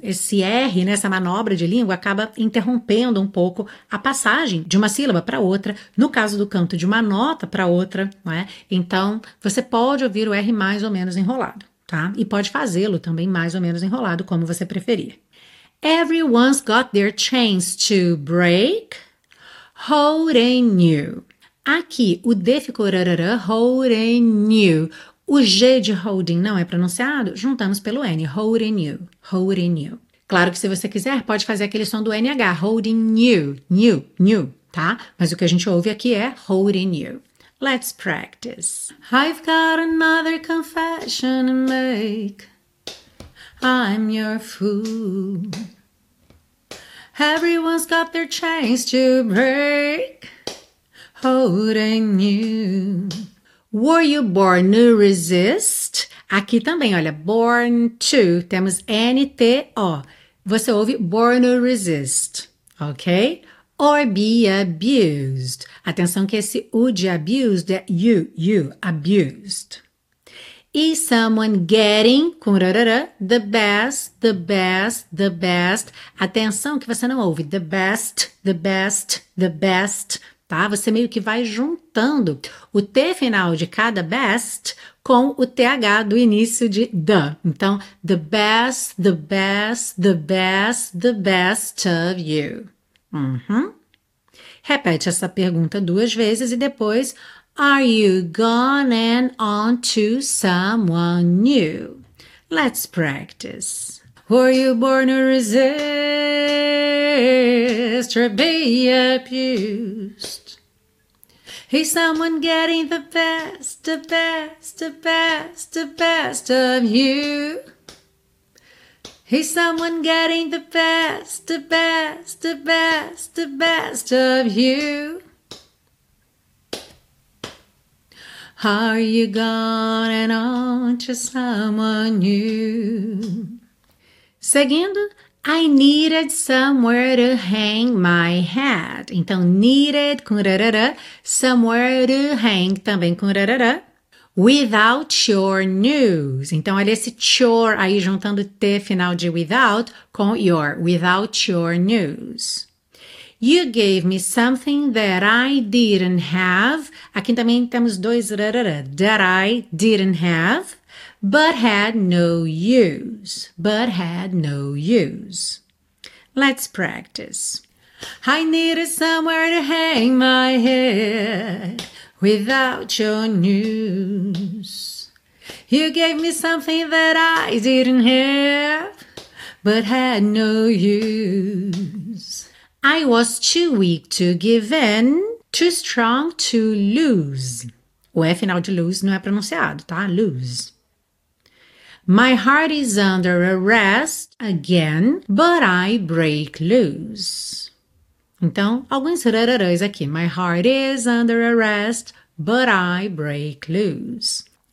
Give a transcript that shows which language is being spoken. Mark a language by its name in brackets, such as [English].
[Portuguese] Esse R nessa manobra de língua acaba interrompendo um pouco a passagem de uma sílaba para outra, no caso do canto, de uma nota para outra, não é? Então, você pode ouvir o R mais ou menos enrolado, tá? E pode fazê-lo também mais ou menos enrolado, como você preferir. [English] Everyone's got their chance to break, holding you. [Portuguese] Aqui, o D ficou rarara, [English] holding you. [Portuguese] O G de holding não é pronunciado? Juntamos pelo N, [English] holding you, holding you. [Portuguese] Claro que se você quiser, pode fazer aquele som do NH, [English] holding you, new, new, [Portuguese] tá? Mas o que a gente ouve aqui é [English] holding you. Let's practice. I've got another confession to make. I'm your fool. Everyone's got their chance to break, holding you. Were you born to resist? [Portuguese] Aqui também, olha, [English] born to, [Portuguese] temos NTO. Você ouve [English] born to resist, ok? Or be abused. [Portuguese] Atenção que esse U de abused é you, abused. [English] Is someone getting, [Portuguese] com rarara, [English] the best. [Portuguese] Atenção que você não ouve [English] the best, the best, the best. [Portuguese] Tá? Você meio que vai juntando o T final de cada best com o TH do início de the. Então, [English] the best, the best, the best, the best of you. [Portuguese] Repete essa pergunta duas vezes e depois, [English] Are you gone and on to someone new? Let's practice. Were you born to resist or be abused? Is someone getting the best, the best, the best, the best of you? Is someone getting the best, the best, the best, the best of you? Are you gone and on to someone new? [Portuguese] Seguindo. [English] I needed somewhere to hang my hat. [Portuguese] Então, needed com rarara, [English] somewhere to hang [Portuguese] também com rarara. [English] Without your news. [Portuguese] Então, olha esse your aí juntando T final de without com your. [English] Without your news. You gave me something that I didn't have. [Portuguese] Aqui também temos dois rarara. [English] That I didn't have. But had no use. But had no use. Let's practice. I needed somewhere to hang my head without your news. You gave me something that I didn't have, but had no use. I was too weak to give in, too strong to lose. [Portuguese] O F final de lose não é pronunciado, tá? [English] Lose. My heart is under arrest again, but I break loose. [Portuguese] Então, alguns rararãs aqui. [English] My heart is under arrest, But I break loose.